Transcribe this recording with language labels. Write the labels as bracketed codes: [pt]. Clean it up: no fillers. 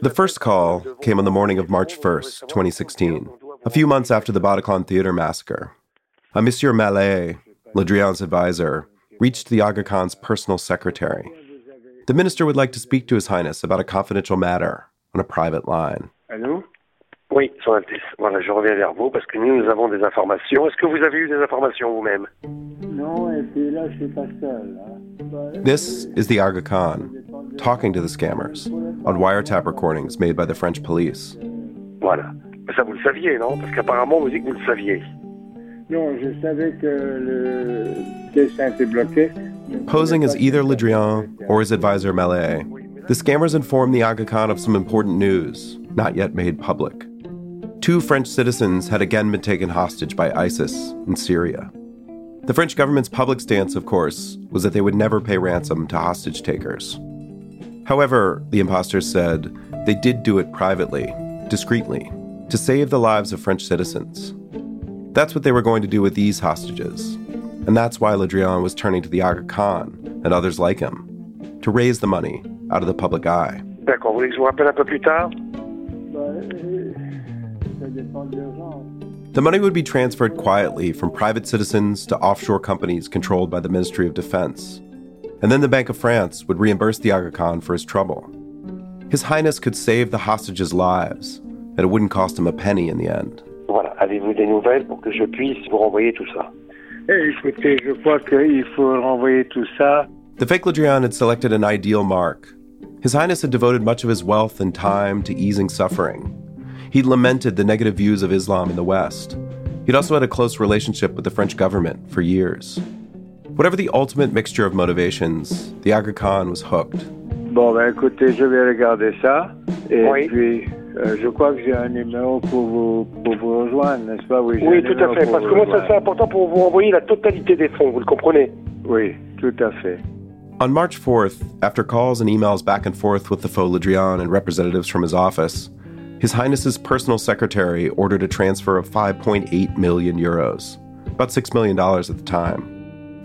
[en] The first call came on the morning of March 1st, 2016, a few months after the Bataclan Theater massacre. A Monsieur Mallet, Le Drian's advisor, reached the Aga Khan's personal secretary. The minister would like to speak to His Highness about a confidential matter on a private line. [fr] Allô? Oui, Son Altesse. Voilà, je reviens vers vous parce que nous avons des informations. Est-ce que vous avez eu des informations vous-même? Non, et puis là, je suis pas seul. [en] This is the Aga Khan talking to the scammers on wiretap recordings made by the French police. [fr] Voilà. Mais ça, vous le saviez, non? Parce qu'apparemment, vous dites que vous le saviez. Non, je savais que le dessin était bloqué. [en] Posing as either Le Drian or his advisor Mallet, the scammers inform the Aga Khan of some important news, not yet made public. Two French citizens had again been taken hostage by ISIS in Syria. The French government's public stance, of course, was that they would never pay ransom to hostage takers. However, the imposters said, they did do it privately, discreetly, to save the lives of French citizens. That's what they were going to do with these hostages. And that's why Le Drian was turning to the Aga Khan and others like him to raise the money out of the public eye. [fr] D'accord, vous voulez que je vous rappelle un peu plus tard? [en] The money would be transferred quietly from private citizens to offshore companies controlled by the Ministry of Defense. And then the Bank of France would reimburse the Aga Khan for his trouble. His Highness could save the hostages' lives, and it wouldn't cost him a penny in the end. [fr] Voilà, avez-vous des nouvelles pour que je puisse vous renvoyer tout ça? Écoutez, je crois qu'il faut renvoyer tout ça. [en] The fake Le Drian had selected an ideal mark. His Highness had devoted much of his wealth and time to easing suffering. He'd lamented the negative views of Islam in the West. He'd also had a close relationship with the French government for years. Whatever the ultimate mixture of motivations, the Aga Khan was hooked. [fr] Bon, ben écoutez, je vais regarder ça. Et oui. Puis, je crois que j'ai un numéro pour vous rejoindre, n'est-ce pas? Oui, oui, tout à fait. Parce que moi, ça, c'est important pour vous envoyer la totalité des fonds, vous le comprenez? Oui, tout à fait. [en] On March 4th, after calls and emails back and forth with the faux Le Drian and representatives from his office, His Highness's personal secretary ordered a transfer of 5.8 million euros, about $6 million at the time.